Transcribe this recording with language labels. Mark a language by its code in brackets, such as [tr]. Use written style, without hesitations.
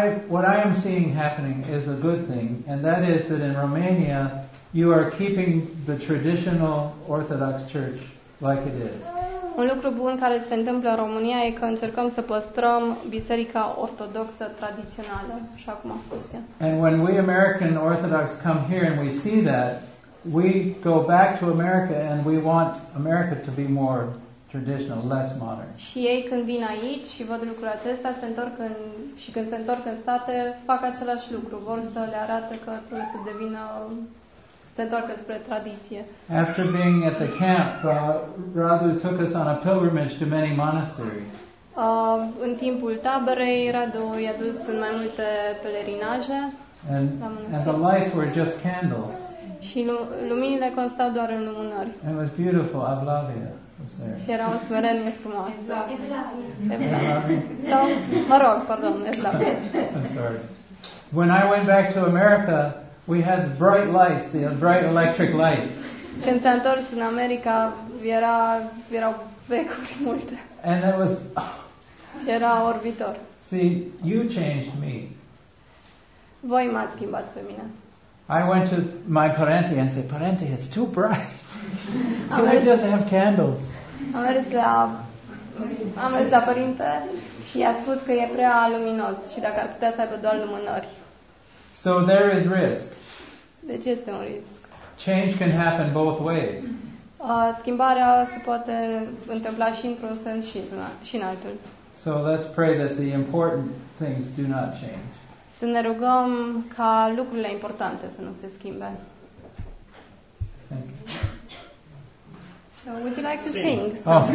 [en] What I am seeing happening is a good thing, and that is that in Romania you are keeping the traditional Orthodox Church like it is. [ro] Un lucru bun care se întâmplă în România e că încercăm să păstrăm biserica ortodoxă tradițională, așa cum a fost ea. [en] And when we American Orthodox come here and we see that, we go back to America and we want America to be more traditional, less modern. [ro] Și ei când vin aici și văd lucrul acesta, se întorc în state, fac același lucru, vor să le arate că trebuie să devină [en] After being at the camp, Radu took us on a pilgrimage to many monasteries. [ro] În timpul taberei, Radu i-a dus în mai multe pelerinaje. [en] And the lights were just candles. [ro] Și luminile constau doar în lumânări. [en] It was beautiful, Evlavia. [ro] Și era o smerenie frumoasă. Evlavia. Sau, mă rog, pardon, Evlavia. [en] I'm sorry. When I went back to America, we had bright lights, the bright electric lights. [ro] Când s-a întors în America, erau becuri multe. [en] And it was. [ro] Și era orbitor. [en] See, you changed me. [ro] Voi m-ați schimbat pe mine. [en] I went to my parenti and said, "Parenti, it's too bright. Can we just have candles?" [ro] Am mers la părinte și i-a spus că e prea luminos și dacă ar putea să aibă doar lumânări. [en] So there is risk. [ro] Deci este un risc. [en] Change can happen both ways. [ro] Schimbarea se poate întâmpla și într-un sens și în altul. [en] So let's pray that the important things do not change. [ro] Să ne rugăm ca lucrurile importante să nu se schimbe. [en] Thank you. So would you like to sing?